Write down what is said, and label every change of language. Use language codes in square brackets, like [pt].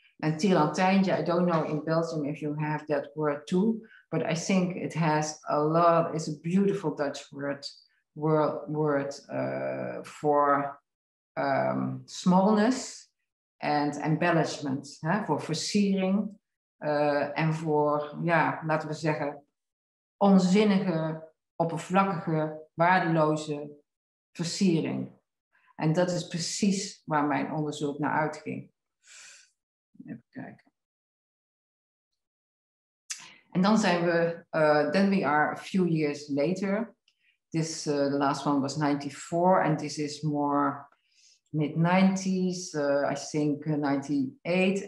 [en] And tierlantijntje, I don't know in Belgium if you have that word too, but I think it has a lot, it's a beautiful Dutch word for smallness and embellishment, hè? For [nl] versiering [en] and for, [nl] ja, laten we zeggen, onzinnige, oppervlakkige, waardeloze versiering. En dat is precies waar mijn onderzoek naar uitging. Even kijken. En dan zijn we, [en] then we are a few years later. This, the last one was 94, and this is more mid-90s, I think 98.